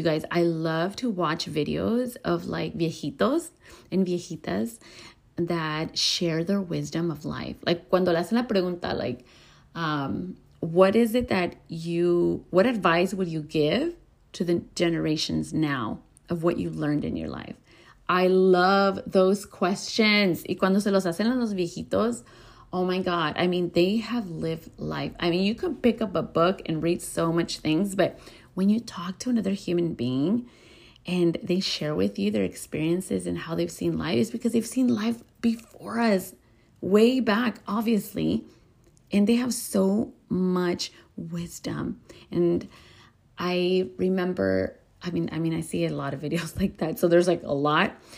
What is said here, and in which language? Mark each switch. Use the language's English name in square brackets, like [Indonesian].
[English] I love to watch videos of like [Spanish] viejitos [English] and [Spanish] viejitas [English] that share their wisdom of life. Like, [Spanish] cuando le hacen la pregunta, [English] like, what is it that you, what advice would you give to the generations now of what you learned in your life? I love those questions. [Spanish] Y cuando se los hacen a los viejitos, [English] oh my God. I mean, they have lived life. I mean, you can pick up a book and read so much things, but when you talk to another human being and they share with you their experiences and how they've seen life, it's because they've seen life before us, way back, obviously. And they have so much wisdom. And I remember, I mean, I see a lot of videos like that. So there's like a lot.